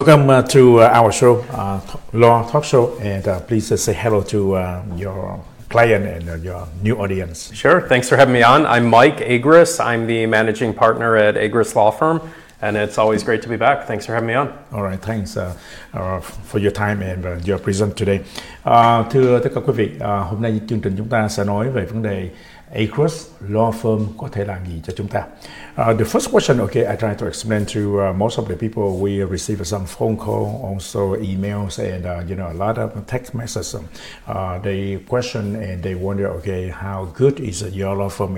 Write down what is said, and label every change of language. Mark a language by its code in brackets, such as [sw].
[en] Welcome to our show, Law Talk Show, and please say hello to your client and your new audience. Sure. Thanks for having me on. I'm Mike Agruss. I'm the managing partner at Agruss Law Firm, and it's always great to be back. Thanks for having me on. All right. Thanks for your time and your presence today. [vi] Thưa tất cả quý vị, hôm nay chương trình chúng ta sẽ nói về vấn đề Agruss Law Firm có thể làm gì cho chúng ta. [en] The first question, okay, I try to explain to most of the people. We receive some phone call, also emails, and you know, a lot of text messages. They question and they wonder, okay, how good is your law firm?